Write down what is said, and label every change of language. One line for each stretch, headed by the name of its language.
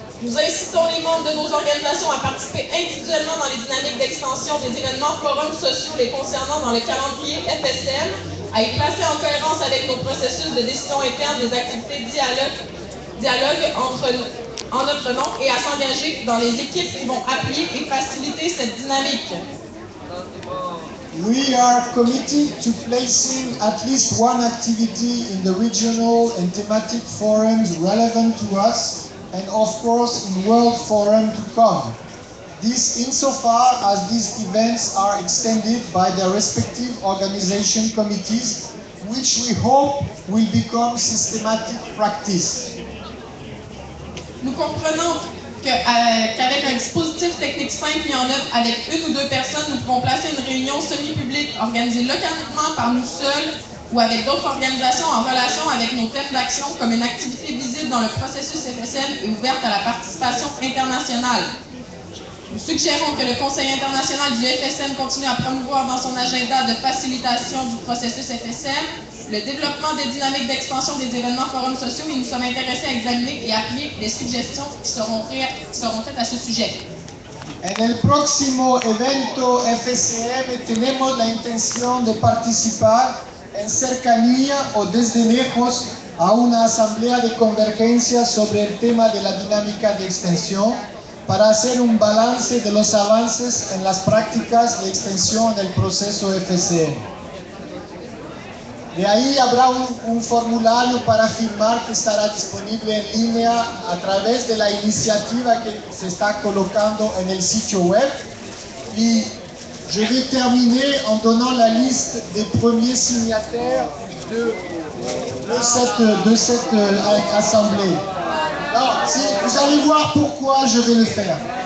French: Nous incitons les membres de nos organisations à participer individuellement dans les dynamiques d'extension des événements forums sociaux les concernant dans le calendrier FSM, à y placer en cohérence avec nos processus de décision interne des activités dialogue entre nous, en notre nom et à s'engager dans les équipes qui vont appuyer et faciliter cette dynamique.
English: We are committed to placing at least one activity in the regional and thematic forums relevant to us, and of course in World Forum to come. This insofar as these events are extended by their respective organization committees, which we hope will become systematic practice.
French: Nous comprenons que, qu'avec un dispositif technique simple mis en œuvre avec une ou deux personnes, nous pouvons placer une réunion semi-publique organisée localement par nous seuls ou avec d'autres organisations en relation avec nos thèmes d'action comme une activité visible dans le processus FSM et ouverte à la participation internationale. Nous suggérons que le Conseil international du FSM continue à promouvoir dans son agenda de facilitation du processus FSM le développement des dynamiques d'expansion des événements forums sociaux et nous sommes intéressés à examiner et appliquer les suggestions qui seront faites à ce sujet.
Spanish: En el próximo evento FSM tenemos la intención de participar en cercanía o desde lejos a una asamblea de convergencia sobre el tema de la dinámica de extensión para hacer un balance de los avances en las prácticas de extensión del proceso FSM. De ahí habrá un formulario para firmar que estará disponible en línea a través de la iniciativa que se está colocando en el sitio web.
French: Y je vais terminer en donnant la liste des premiers signataires de cette assemblée. Alors, si, vous allez voir pourquoi je vais le faire.